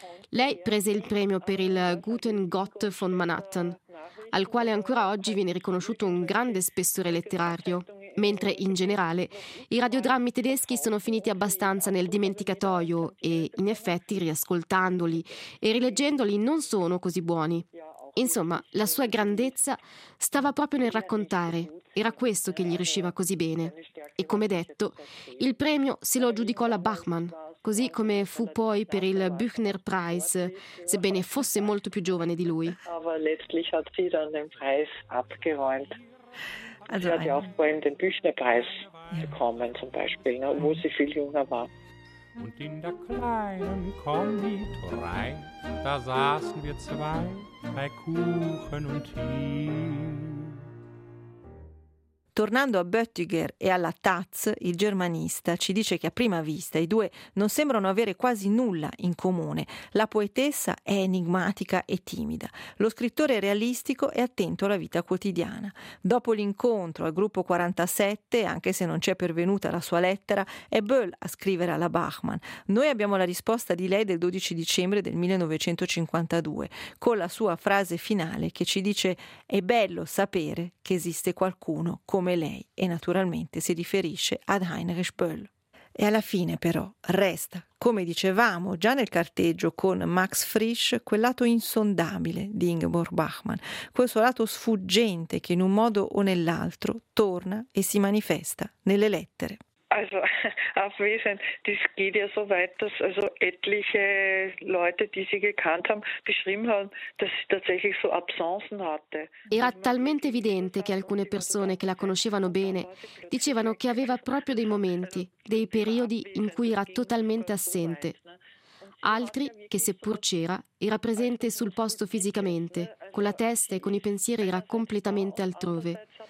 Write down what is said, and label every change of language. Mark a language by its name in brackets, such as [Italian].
[Italian] Lei prese il premio per il Guten Gott von Manhattan, al quale ancora oggi viene riconosciuto un grande spessore letterario, mentre in generale i radiodrammi tedeschi sono finiti abbastanza nel dimenticatoio e in effetti riascoltandoli e rileggendoli non sono così buoni. Insomma, la sua grandezza stava proprio nel raccontare, era questo che gli riusciva così bene. E come detto, il premio se lo aggiudicò la Bachmann, così come fu poi per il Büchner Preis, sebbene fosse molto più giovane di lui. [German] Aber letztlich hat sie dann den Preis abgeräumt. Sie hat ja auch vorhin den Büchner Preis bekommen, zum Beispiel, wo sie viel jünger war. Und in der kleinen Konditorei, da saßen wir zwei, bei Kuchen und Tee. [Italian] Tornando a Böttiger e alla Taz, il germanista ci dice che a prima vista i due non sembrano avere quasi nulla in comune. La poetessa è enigmatica e timida. Lo scrittore è realistico e attento alla vita quotidiana. Dopo l'incontro al gruppo 47, anche se non c'è pervenuta la sua lettera, è Böll a scrivere alla Bachmann. Noi abbiamo la risposta di lei del 12 dicembre del 1952, con la sua frase finale che ci dice: «È bello sapere che esiste qualcuno come lei», e naturalmente si riferisce ad Heinrich Böll. E alla fine però resta, come dicevamo già nel carteggio con Max Frisch, quel lato insondabile di Ingeborg Bachmann, quel suo lato sfuggente che in un modo o nell'altro torna e si manifesta nelle lettere. [German] Also Abwesen, das geht ja so weit, dass also etliche Leute, die sie gekannt haben, beschrieben haben, dass sie tatsächlich so Absenzen hatte. [Italian] Era talmente evidente che alcune persone che la conoscevano bene dicevano che aveva proprio dei momenti, dei periodi in cui era totalmente assente. Altri, che seppur c'era, era presente sul posto fisicamente, con la testa e con i pensieri era completamente altrove.